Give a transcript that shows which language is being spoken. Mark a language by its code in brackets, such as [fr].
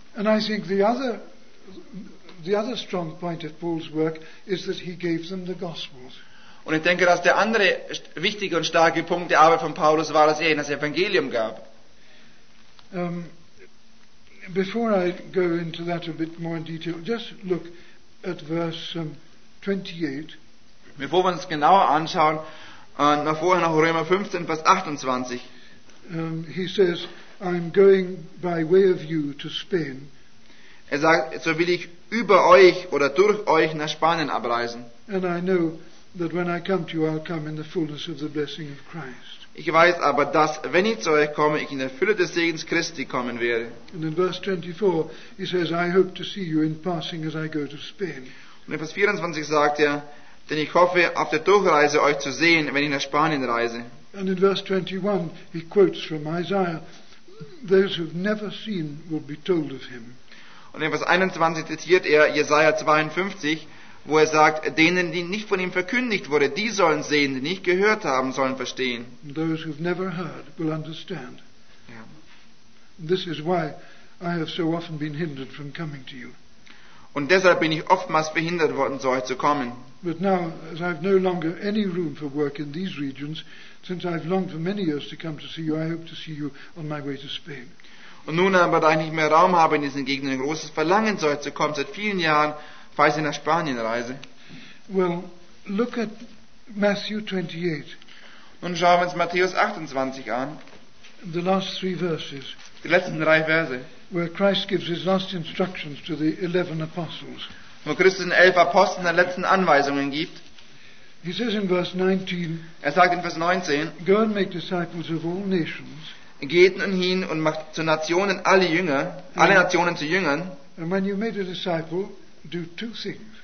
[en] And I think the other strong point of Paul's work is that he gave them the gospels. [de] Und ich denke, dass der andere wichtige und starke Punkt der Arbeit von Paulus war, dass er ihnen das Evangelium gab. [en] Before I go into that a bit more in detail, just look at verse 28. [de] Bevor wir uns genauer anschauen, nach Römer 15, Vers 28. [en] He says, I'm going by way of you to Spain. [de] Er sagt, so will ich über euch oder durch euch nach Spanien abreisen. [en] And I know that when I come to you, I'll come in the fullness of the blessing of Christ. [de] Ich weiß aber, dass wenn ich zu euch komme, ich in der Fülle des Segens Christi kommen werde. [en] And in verse 24, he says, I hope to see you in passing as I go to Spain. [de] Und in Vers 24 sagt er, denn ich hoffe, auf der Durchreise euch zu sehen, wenn ich nach Spanien reise. [en] And in verse 21, he quotes from Isaiah, those who've never seen will be told of him. [de] Und in Vers 21 zitiert er Jesaja 52, wo er sagt, denen, die nicht von ihm verkündigt wurde, die sollen sehen, die nicht gehört haben, sollen verstehen. [en] Those who've never heard will understand. Yeah. This is why I have so often been hindered from coming to you. [de] Und deshalb bin ich oftmals behindert worden, zu euch zu kommen. [en] But now, as I've no longer any room for work in these regions, since I've longed for many years to come to see you, I hope to see you on my way to Spain. [de] Und nun aber, da ich nicht mehr Raum habe in diesen Gegenden, ein großes Verlangen, zu euch zu kommen, seit vielen Jahren, falls ich nach Spanien reise. [en] Well, look at Matthew 28. [de] Nun schauen wir uns Matthäus 28 an. [en] The last three verses. [de] Die letzten drei Verse. [en] Where Christ gives his last instructions to the 11 apostles. [de] Wo Christus den 11 Aposteln der letzten Anweisungen gibt. [en] He says in verse 19. [de] Er sagt in Vers 19. [en] Go and make disciples of all nations. [de] Geht nun hin und macht zu Nationen alle Jünger, alle Nationen zu Jüngern. [en] And when you made a disciple, do two things.